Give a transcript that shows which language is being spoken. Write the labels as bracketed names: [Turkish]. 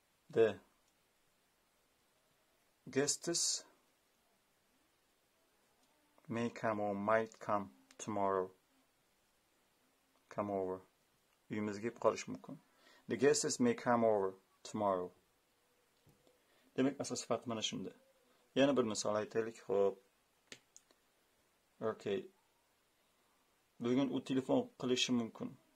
[English] The guests may come or might come tomorrow. Come over. [Uzbek] Uyimizga kelib qolish mumkin. [English] The guests may come over tomorrow. [Uzbek] Demak, asos sifat mana shunda. Yana bir misol aytaylik, xo'p. [English] Okay. [Uzbek] Bugun u telefon qilishi mumkin.